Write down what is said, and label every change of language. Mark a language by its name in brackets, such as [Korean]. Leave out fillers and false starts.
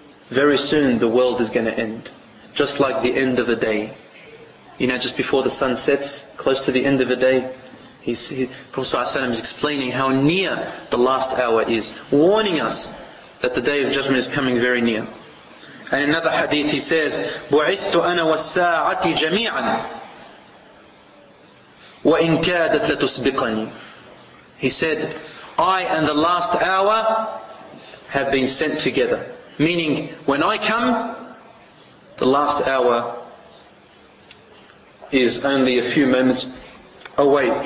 [English] Very soon the world is going to end. Just like the end of a day. You know, just before the sun sets, close to the end of a day, Prophet ﷺ is explaining how near the last hour is, warning us that the day of judgment is coming very near. And in another hadith he says, [Arabic] بُعِثْتُ أَنَا وَالسَّاعَةِ جَمِيعًا وَإِنْ كَادَتْ لَتُسْبِقَنِي. [English] He said, I and the last hour have been sent together. Meaning, when I come, the last hour is only a few moments away.